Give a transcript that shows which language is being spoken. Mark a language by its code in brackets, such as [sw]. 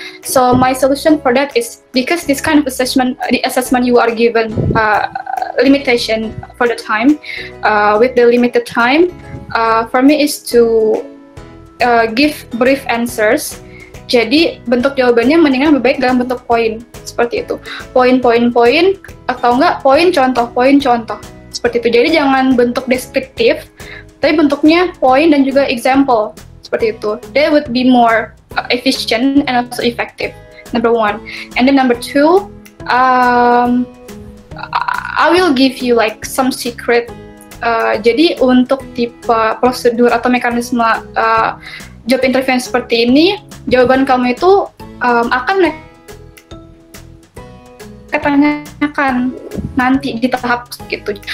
[en] So my solution for that is, because this kind of assessment, the assessment you are given limitation for the time, with the limited time, for me is to give brief answers. [id] Jadi bentuk jawabannya mendingan lebih baik dalam bentuk poin seperti itu, poin atau enggak poin contoh seperti itu. Jadi jangan bentuk deskriptif, tapi bentuknya poin dan juga example seperti itu. [en] That would be more efficient and also effective, number one. And then number two, I will give you like some secret. [id] Jadi untuk tipe prosedur atau mekanisme job interview yang seperti ini, jawaban kamu itu akan ditanyakan nanti di tahap gitu.